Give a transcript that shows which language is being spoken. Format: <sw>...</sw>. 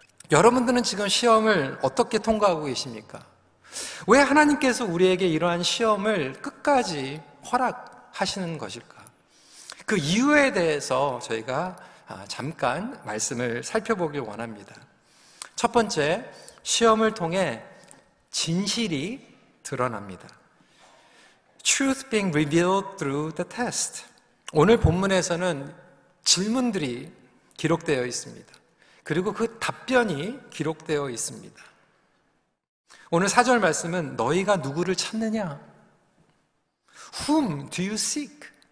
<ko>여러분들은 지금 시험을 어떻게 통과하고 계십니까? 왜 하나님께서 우리에게 이러한 시험을 끝까지 허락하시는 것일까? 그 이유에 대해서 저희가 잠깐 말씀을 살펴보길 원합니다. 첫 번째, 시험을 통해 진실이 드러납니다.</ko> <en>Truth being revealed through the test.</en> <ko>오늘 본문에서는 질문들이 기록되어 있습니다. 그리고 그 답변이 기록되어 있습니다. 오늘 4절 말씀은 너희가 누구를 찾느냐?</ko> <en>Whom do you seek?</en>